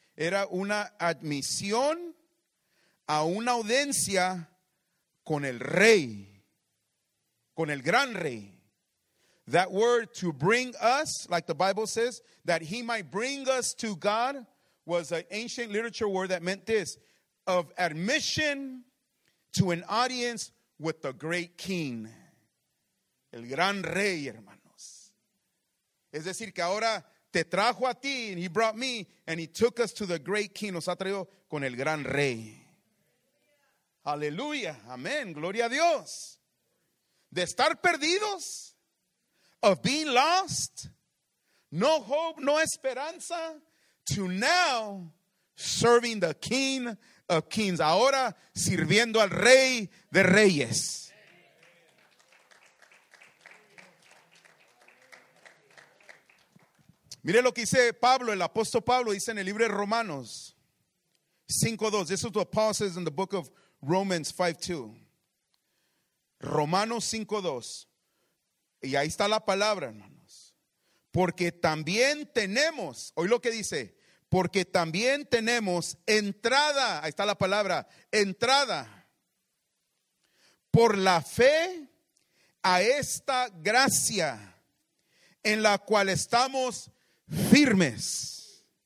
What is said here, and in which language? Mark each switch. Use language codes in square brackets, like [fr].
[es] Era una admisión a una audiencia con el rey, con el gran rey. [en] That word, to bring us, like the Bible says, that he might bring us to God, was an ancient literature word that meant this, of admission to an audience with the great king. [es] El gran rey, hermanos. Es decir, que ahora te trajo a ti, [en] and he brought me, and he took us to the great king. [es] Nos ha traído con el gran rey. Aleluya, amén, gloria a Dios. De estar perdidos, [en] of being lost, no hope, [es] no esperanza, [en] to now serving the King of Kings. [es] Ahora sirviendo al Rey de Reyes. Mire lo que dice Pablo, el apóstol Pablo, dice en el libro de Romanos 5:2. [en] This is what Paul says in the book of Romans 5:2. [es] Romanos 5:2. Y ahí está la palabra, hermanos. Porque también tenemos, oí lo que dice, porque también tenemos entrada, ahí está la palabra, entrada por la fe a esta gracia en la cual estamos firmes.